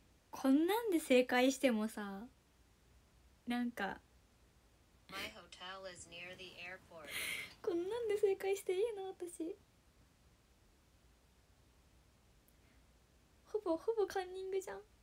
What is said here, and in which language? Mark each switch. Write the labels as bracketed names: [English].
[Japanese] こんなんで正解してもさ、なんか [English] My hotel is near the airport. [Japanese] こんなんで正解していいの私。ほぼほぼカンニングじゃん。